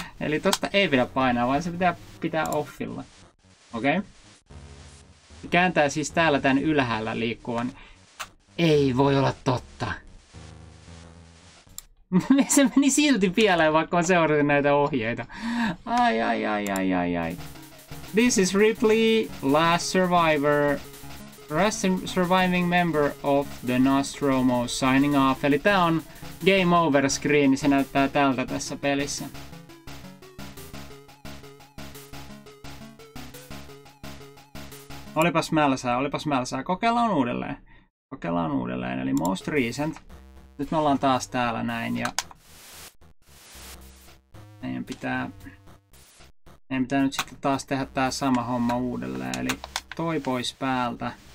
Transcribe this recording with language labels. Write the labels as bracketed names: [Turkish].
[Finnish] Eli tosta ei pidä painaa, vaan se pitää offilla. Okei. Okay. Kääntää siis täällä tän ylhäällä liikkuvan. Ei voi olla totta. Se meni silti pieleen, vaikka mä seurasin näitä ohjeita. Ai, ai, ai, ai, ai, ai. [English] This is Ripley, last survivor. Rest surviving member of the Nostromo signing off. [Finnish] Eli tää on game over screen, se näyttää tältä tässä pelissä. Olipas mälsää. Kokeillaan uudelleen, eli [English] most recent. [Finnish] Nyt me ollaan taas täällä näin ja meidän pitää nyt sitten taas tehdä tää sama homma uudelleen, eli toi pois päältä.